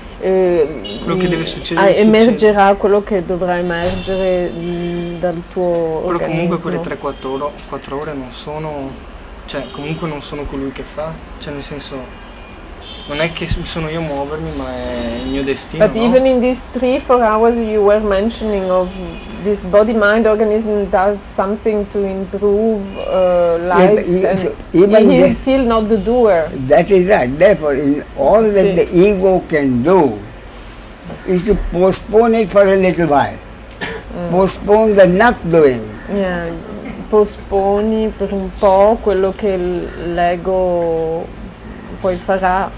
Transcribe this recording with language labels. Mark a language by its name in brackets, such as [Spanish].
[Italian] quello che deve succedere emergerà quello che dovrà emergere dal tuo però organismo. Però comunque quelle 3-4 ore non sono, cioè comunque non sono colui che fa, cioè nel senso non è che sono io a muovermi, ma è il mio destino. [English] But [Italian] no? [English] Even in these 3-4 hours you were mentioning of this body mind organism does something to improve life, and he is still not the doer. That is right. Therefore, in all that the ego can do is to postpone it for a little while. Postpone the not doing. [Italian] Yeah, postponi per un po' quello che l'ego poi farà.